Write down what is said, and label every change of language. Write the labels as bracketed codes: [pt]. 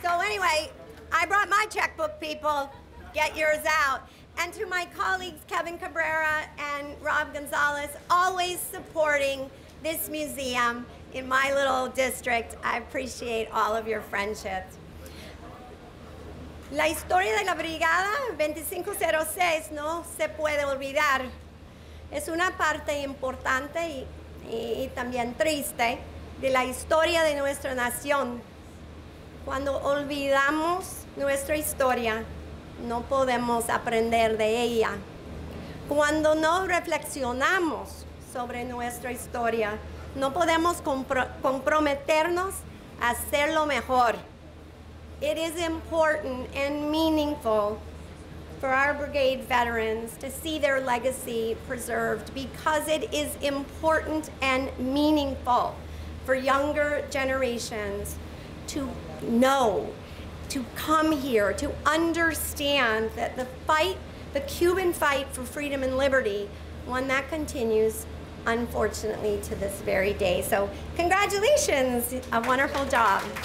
[en] Anyway, I brought my checkbook, people. Get yours out. And to my colleagues, Kevin Cabrera and Rob Gonzalez, always supporting this museum in my little district. I appreciate all of your friendship. [es] La historia de la Brigada 2506 no se puede olvidar. Es una parte importante y también triste de la historia de nuestra nación. Cuando olvidamos nuestra historia, no podemos aprender de ella. Cuando no reflexionamos sobre nuestra historia, no podemos comprometernos a hacerlo mejor. [en] It is important and meaningful for our brigade veterans to see their legacy preserved because it is important and meaningful for younger generations to know, to come here, to understand that the fight, the Cuban fight for freedom and liberty, one that continues, unfortunately, to this very day. So congratulations, a wonderful job.